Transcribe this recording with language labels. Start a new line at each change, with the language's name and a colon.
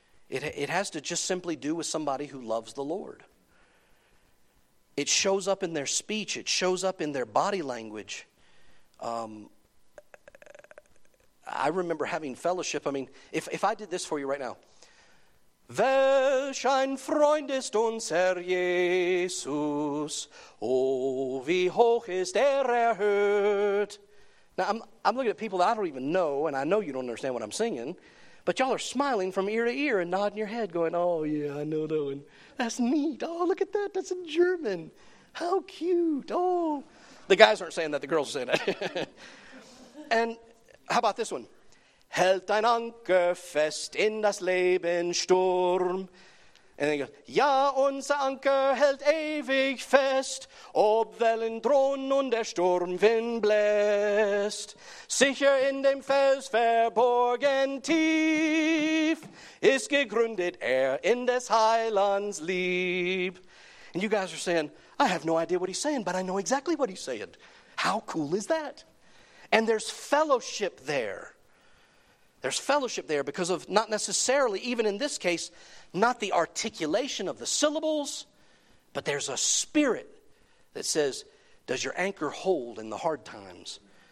English: It has to just simply do with somebody who loves the Lord. It shows up in their speech. It shows up in their body language. I remember having fellowship. I mean, if I did this for you right now.
German: "Welch ein Freund ist unser Jesus. Oh, wie hoch ist erhöht."
English: Now, I'm looking at people that I don't even know, and I know you don't understand what I'm singing. But y'all are smiling from ear to ear and nodding your head going, "Oh, yeah, I know that one. That's neat. Oh, look at that. That's in German. How cute. Oh." The guys aren't saying that. The girls are saying that. And how about this one?
German: "Hält ein Anker fest in das Leben Sturm."
English: And then he goes,
German: "Ja, unser Anker hält ewig fest, ob Wellen drohen und der Sturmwind bläst. Sicher in dem Fels verborgen tief, ist gegründet in des Heilands lieb."
English: And you guys are saying, "I have no idea what he's saying, but I know exactly what he's saying. How cool is that?" And there's fellowship there. There's fellowship there because of not necessarily, even in this case, not the articulation of the syllables, but there's a spirit that says, "Does your anchor hold in the hard times?"